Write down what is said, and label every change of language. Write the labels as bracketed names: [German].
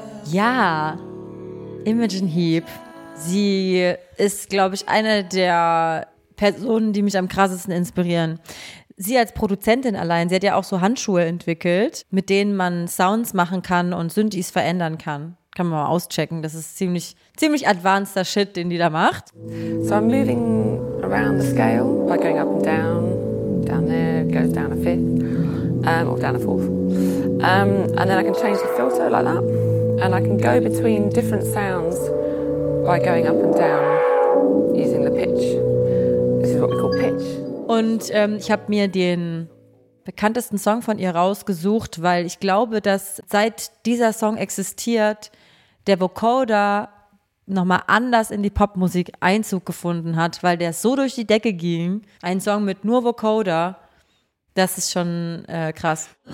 [German] Ja, Imogen Heap, sie ist, glaube ich, eine der Personen, die mich am krassesten inspirieren. Sie als Produzentin allein, sie hat ja auch so Handschuhe entwickelt, mit denen man Sounds machen kann und Synthis verändern kann. Kann man mal auschecken, das ist ziemlich advanceder Shit, den die da macht. [English] So I'm moving around the scale, like going up and down, down there, goes down a fifth, or down a fourth. And then I can change the filter like that. And I can go between different sounds by going up and down using the pitch. This is what we call pitch. [German] Und ich habe mir den bekanntesten Song von ihr rausgesucht, weil ich glaube, dass seit dieser Song existiert, der Vocoder nochmal anders in die Popmusik Einzug gefunden hat, weil der so durch die Decke ging. Ein Song mit nur Vocoder, das ist schon krass.